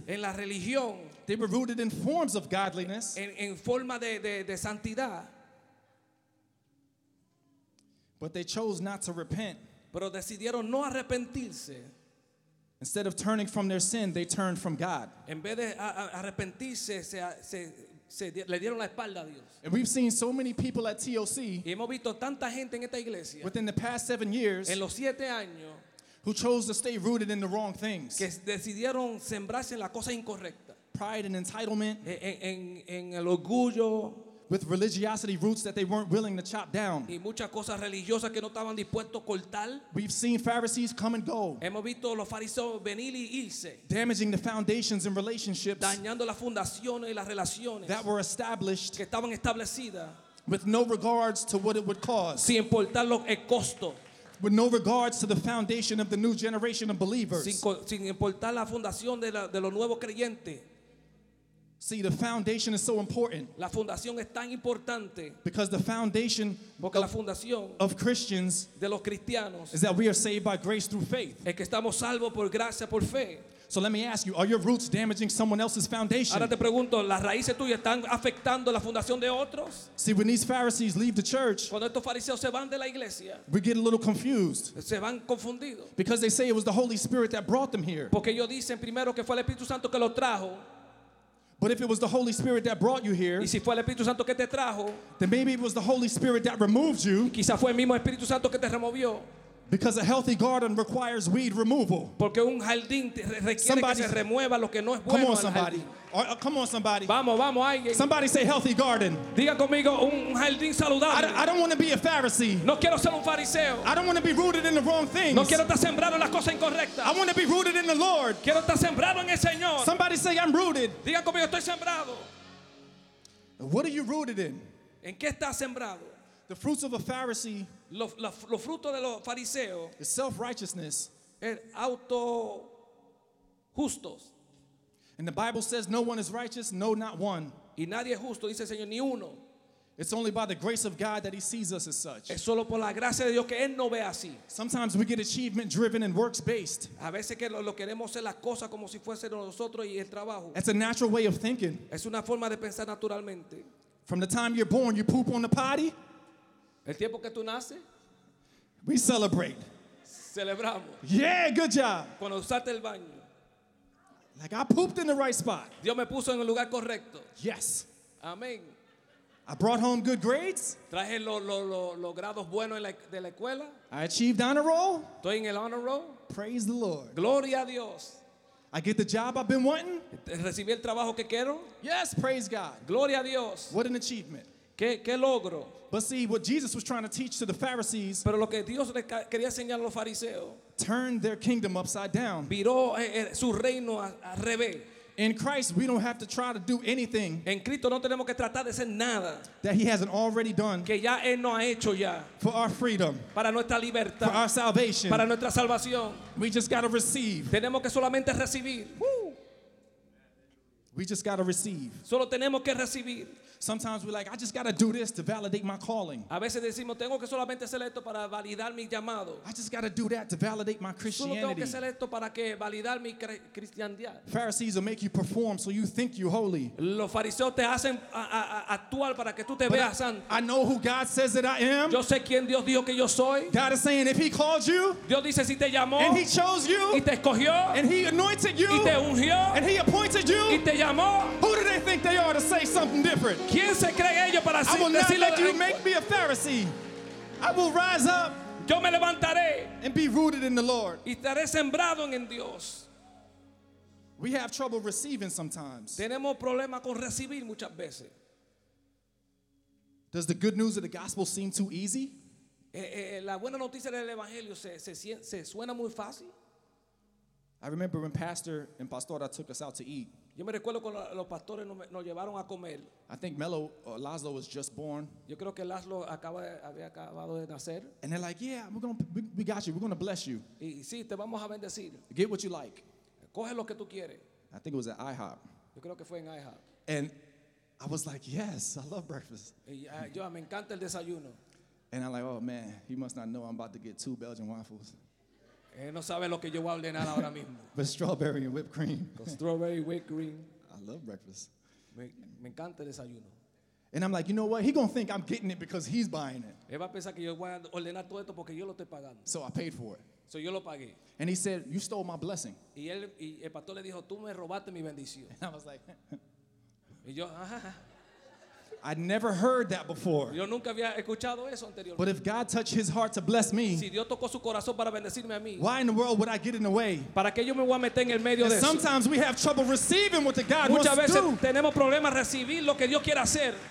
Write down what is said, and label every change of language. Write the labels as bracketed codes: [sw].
[es] En la religión. [en] They were rooted in forms of godliness. [es] En forma de santidad. [en] But they chose not to repent. [es] Pero decidieron no arrepentirse. [en] Instead of turning from their sin, they turned from God. [es] En vez de arrepentirse, le dieron la espalda a Dios. [en] And we've seen so many people at TOC. [es] Y hemos visto tanta gente en esta iglesia. [en] Within the past 7 years. [es] En los 7 años. [en] Who chose to stay rooted in the wrong things. [es] Que decidieron sembrarse en la cosa incorrecta. [en] Pride and entitlement. [es] En el orgullo. [en] With religiosity roots that they weren't willing to chop down. [es] Y muchas cosas religiosas que no estaban dispuestos a cortar. [en] We've seen Pharisees come and go. [es] Hemos visto los fariseos venir y irse. [en] Damaging the foundations and relationships. [es] Dañando las fundaciones y las relaciones. [en] That were established. [es] Que estaban establecidas. [en] With no regards to what it would cause. [es] Sin importar lo el costo. [en] With no regards to the foundation of the new generation of believers. [es] Sin importar la fundación de los nuevos creyentes. [en] See, the foundation is so important. [es] La fundación es tan importante. [en] Because the foundation [es] porque la fundación [en] of Christians [es] de los cristianos [en] is that we are saved by grace through faith. [es] Es que estamos salvos por gracia por fe. [en] So let me ask you, are your roots damaging someone else's foundation? [es] Ahora te pregunto, ¿las raíces tuyas están afectando la fundación de otros? [en] See, when these Pharisees leave the church, [es] cuando estos fariseos se van de la iglesia, [en] we get a little confused. [es] Se van confundidos. [en] Because they say it was the Holy Spirit that brought them here. [es] Porque ellos dicen primero que fue el Espíritu Santo que los trajo. [en] But if it was the Holy Spirit that brought you here, [es] y si fue el Espíritu Santo que te trajo, [en] then maybe it was the Holy Spirit that removed you. [es] Quizá fue el mismo Espíritu Santo que te removió. [en] Because a healthy garden requires weed removal. [es] Porque un jardín requiere que se remueva lo que no es bueno. [en] Come on, somebody. Come on, somebody. [es] Vamos, vamos, alguien. [en] Somebody say healthy garden. [es] Diga conmigo un jardín saludable. [en] I don't want to be a Pharisee. [es] No quiero ser un fariseo. [en] I don't want to be rooted in the wrong things. [es] No quiero estar sembrado en las cosas incorrectas. [en] I want to be rooted in the Lord. [es] Quiero estar sembrado en el Señor. [en] Somebody say I'm rooted. [es] Diga conmigo estoy sembrado. [en] What are you rooted in? [es] ¿En qué estás sembrado? [en] The fruits of a Pharisee. [es] Lo fruto de los fariseos. [en] Is self-righteousness. [es] El auto justos. [en] And the Bible says no one is righteous, no, not one. [es] Y nadie es justo, dice el Señor, ni uno. [en] It's only by the grace of God that he sees us as such. [es] Es solo por la gracia de Dios que él no ve así. [en] Sometimes we get achievement driven and works based. [es] A veces que lo queremos hacer las cosas como si fuese nosotros y el trabajo. [en] It's a natural way of thinking. [es] Es una forma de pensar naturalmente. [en] From the time you're born, you poop on the potty. [es] El tiempo que tú naces. [en] We celebrate. [es] Celebramos. [en] Yeah, good job. [es] Cuando usaste el baño. [en] Like I pooped in the right spot. [es] Dios me puso en el lugar correcto. [en] Yes. [es] Amen. [en] I brought home good grades. [es] Traje los grados buenos de la escuela. [en] I achieved honor roll. [es] Estoy en el honor roll. [en] Praise the Lord. [es] Gloria a Dios. [en] I get the job I've been wanting. [es] Recibí el trabajo que quiero. [en] Yes, praise God. [es] Gloria a Dios. [en] What an achievement. [es] ¿Qué logro? [en] But see, what Jesus was trying to teach to the Pharisees. [es] Pero lo que Dios le quería enseñar a los fariseos. [en] Turn their kingdom upside down. [es] Viró su reino al revés. [en] In Christ, we don't have to try to do anything. [es] En Cristo no tenemos que tratar de hacer nada. [en] That he hasn't already done. [es] Que ya él no ha hecho ya. [en] For our freedom. [es] Para nuestra libertad. [en] For our salvation. [es] Para nuestra salvación. [en] We just got to receive. [es] Tenemos que solamente recibir. [en] Woo! We just got to receive. [es] Solo tenemos que recibir. [en] Sometimes we're like, I just got to do this to validate my calling. [es] A veces decimos, tengo que solamente hacer esto para validar mi llamado. [en] I just got to do that to validate my Christianity. [es] Solo tengo que hacer esto para que validar mi cristianidad. [en] Pharisees will make you perform so you think you're holy. [es] Los fariseos te hacen actuar para que tú te veas santo. [en] I know who God says that I am. [es] Yo sé quién Dios dijo que yo soy. [en] God is saying, if he called you, [es] Dios dice, si te llamó, [en] and he chose you, [es] y te escogió, [en] and he anointed you, [es] y te ungió, [en] and he appointed you, [es] y te llamó, [en] who do they think they are to say something different? [es] ¿Quién se cree ellos para [en] I will not let you make me a Pharisee. I will rise up. [es] Yo me levantaré. [en] And be rooted in the Lord. [es] Y estaré sembrado en Dios. [en] We have trouble receiving sometimes. [es] Tenemos problemas con recibir muchas veces. [en] Does the good news of the gospel seem too easy? [es] La buena noticia del evangelio se suena muy fácil. [en] I remember when Pastor and Pastora took us out to eat. [es] Yo me recuerdo cuando los pastores nos llevaron a comer. [en] I think Laszlo was just born. [es] Yo creo que Laszlo había acabado de nacer. [en] And they're like, yeah, we got you. We're going to bless you. [es] Y sí, te vamos a bendecir. [en] Get what you like. [es] Coge lo que tú quieres. [en] I think it was at IHOP. [es] Yo creo que fue en IHOP. [en] And I was like, yes, I love breakfast. [es] Yo me encanta el desayuno. [en] And I'm like, oh man, he must not know I'm about to get two Belgian waffles. [es] No sabe lo que yo voy a ordenar ahora mismo. [en] But strawberry and whipped cream. Strawberry whipped cream. I love breakfast. [es] Me encanta el desayuno. [en] And I'm like, you know what? He gonna think I'm getting it because he's buying it. [es] Él va a pensar que yo voy a ordenar todo esto porque yo lo estoy pagando. [en] So I paid for it. [es] So yo lo pagué. [en] And he said, you stole my blessing. [es] Y él y el pastor le dijo, tú me robaste mi bendición. [en] And I was like, [es] y yo, [en] I'd never heard that before. [es] Yo nunca había escuchado eso anteriormente. [en] But if God touched his heart to bless me, [es] si Dios tocó su corazón para bendecirme a mí, [en] why in the world would I get in the way? [es] ¿Para qué yo me voy a meter en el medio [en] and [es] de eso? [en] Sometimes we have trouble receiving what the God [es] Muchas [en] wants to do. [es] Muchas veces tenemos problemas recibir lo que Dios quiere hacer